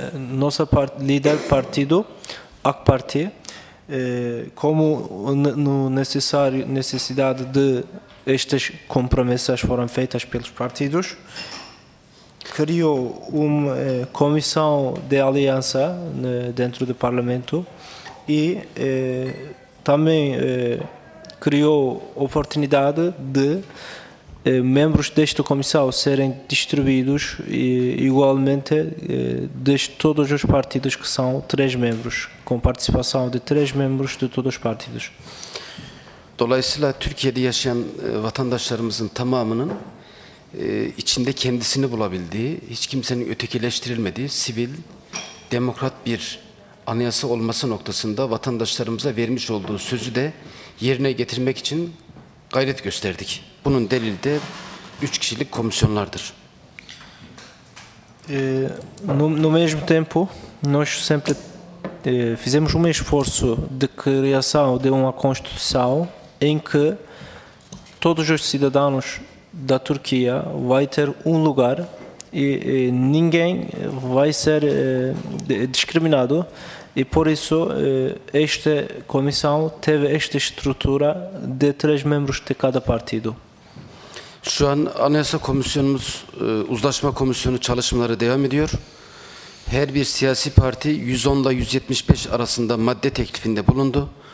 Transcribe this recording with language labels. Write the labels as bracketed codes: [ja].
[pt] Nossa líder partido AK Parti como no necessário necessidade de estas compromissas foram feitas pelos partidos, criou uma comissão de aliança dentro do parlamento e também criou oportunidade de membros desta comissão serem distribuídos igualmente de todos os partidos, que são três membros, com participação de três membros de todos os partidos. [tr] Dolayısıyla Türkiye'de yaşayan vatandaşlarımızın tamamının içinde kendisini bulabildiği, hiç kimsenin ötekileştirilmediği, sivil, demokrat bir anayasa olması noktasında vatandaşlarımıza vermiş olduğu sözü de yerine getirmek için gayret gösterdik. Bunun delili de üç kişilik komisyonlardır. [pt] No mesmo tempo, nós sempre fizemos um esforço de criação de uma constituição em que todos os cidadãos da Turquia vão ter um lugar e ninguém vai ser discriminado. E por isso, esta comissão teve esta estrutura de três membros de cada partido. [tr] Şu an Anayasa Komisyonumuz, Uzlaşma Komisyonu çalışmaları devam ediyor. Her bir siyasi parti 110 ile 175 arasında madde teklifinde bulundu.